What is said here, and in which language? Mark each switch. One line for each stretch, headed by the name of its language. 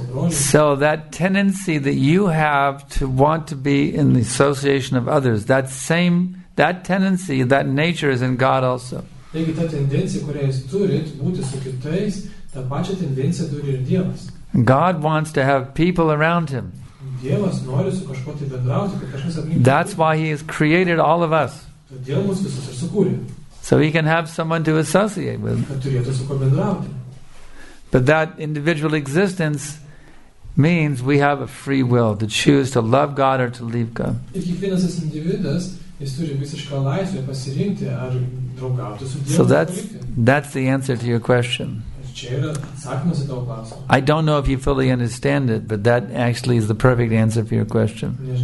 English: So that tendency that you have to want to be in the association of others, that tendency, that nature is in God also.
Lithuanian: Taigi ta tendencija, kurią jūs turit būti su kitais, tą pačią tendenciją turi ir Dievas.
English: God wants to have people around him.
Lithuanian: Dievas nori su kažkuo tai bendrauti, kad kažkas aplink.
English: That's why he has created all of us.
Lithuanian: Todėl mus visus ir sukūrė.
English: So he can have someone to associate with.
Lithuanian: Kad turėtų su kuo bendrauti.
English: But that individual existence means we have a free will to choose to love God or to leave God.
Lithuanian: Ir kiekvienas tas individas, jis turi visišką laisvę pasirinkti ar
English: So that's the answer to your question. I don't know if you fully understand it, but that actually is the perfect answer for your question.